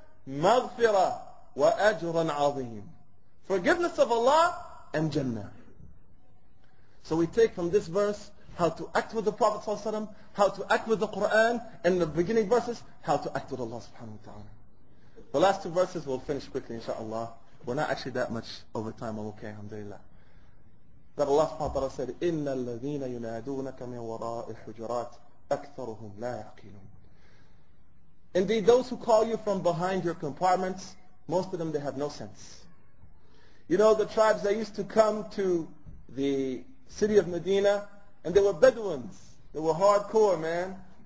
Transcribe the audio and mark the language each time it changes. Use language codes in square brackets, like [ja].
[en] Maghfira wa ajran azim. Forgiveness of Allah and Jannah. So we take from this verse, how to act with the Prophet sallallahu alaihi wasallam, how to act with the Quran, and in the beginning verses, how to act with Allah subhanahu wa ta'ala. The last two verses we'll finish quickly inshaAllah. We're not actually that much over time, I'm okay, alhamdulillah. [ar] That Allah subhanahu wa ta'ala said, إِنَّ الَّذِينَ يُنَادُونَكَ مِنْ وَرَاءِ الْحُجُرَاتِ أَكْثَرُهُمْ لَا يَعْقِلُونَ. [en] Indeed, those who call you from behind your compartments, most of them, they have no sense. You know, the tribes, they used to come to the city of Medina, and they were Bedouins. They were hardcore, man.